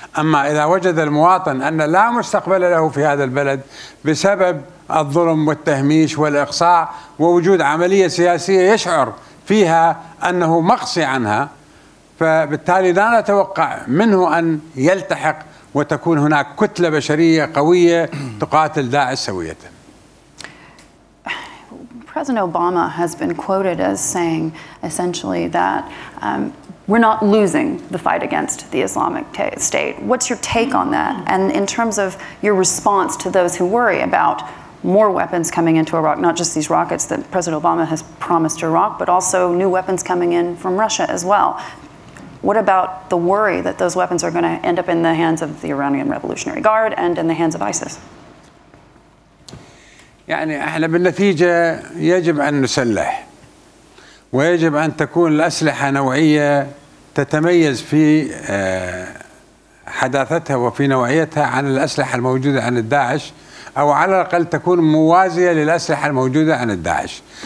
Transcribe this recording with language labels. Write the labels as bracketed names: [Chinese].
[Arabic] أما إذا وجد المواطن أن لا مستقبل له في هذا البلد بسبب الظلم والتهميش والإقصاء ووجود عملية سياسية يشعر فيها أنه مقصي عنها، فبالتالي لا نتوقع منه أن يلتحق وتكون هناك كتلة بشرية قوية تقاتل داعش سوية. [English] President Obama has been quoted as saying essentially that we're not losing the fight against the Islamic State. What's your take on that? And in terms of your response to those who worry about more weapons coming into Iraq, not just these rockets that President Obama has promised Iraq, but also new weapons coming in from Russia as well. What about the worry that those weapons are going to end up in the hands of the Iranian Revolutionary Guard and in the hands of ISIS? [Arabic] يعني احنا بالنتيجة يجب ان نسلح، ويجب ان تكون الأسلحة نوعية تتميز في حداثتها وفي نوعيتها عن الأسلحة الموجودة عن الداعش، او على الاقل تكون موازية للأسلحة الموجودة عن الداعش.